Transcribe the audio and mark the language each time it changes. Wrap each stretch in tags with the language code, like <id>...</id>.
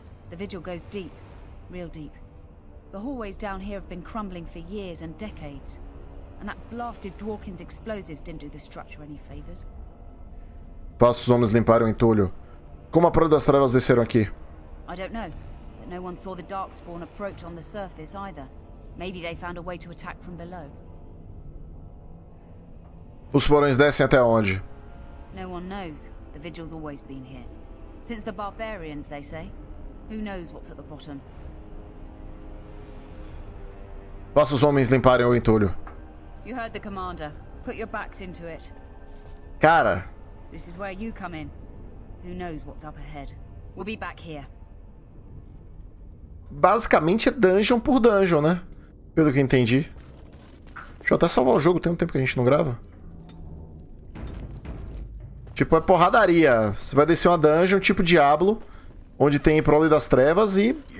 <en>The vigil goes deep, real deep. The hallways down here have been crumbling for years and decades. And that blasted Dworkin's explosives didn't do the structure any favors.</en> <pt>Passa os homens limparam o entulho. Como a prole das trevas desceram aqui?</pt> <en>I don't know. But no one saw the darkspawn approach on the surface either. Maybe they found a way to attack from below.</en> <pt>Os porões descem até onde?</pt> <en>No one knows. The vigil's always been here. Since the barbarians, they say. Who knows what's at the bottom?</en> <pt>Faça os homens limparem o entulho.</pt> <en>You heard the commander. Put your backs into it.</en> <pt>Cara.</pt> <en>This is where you come in. Who knows what's up ahead? We'll be back here.</en> <pt>Basicamente é dungeon por dungeon, né? Pelo que entendi. Deixa eu até salvar o jogo, tem um tempo que a gente não grava. Tipo, é porradaria. Você vai descer uma dungeon, tipo Diablo, onde tem prole das trevas e...</pt>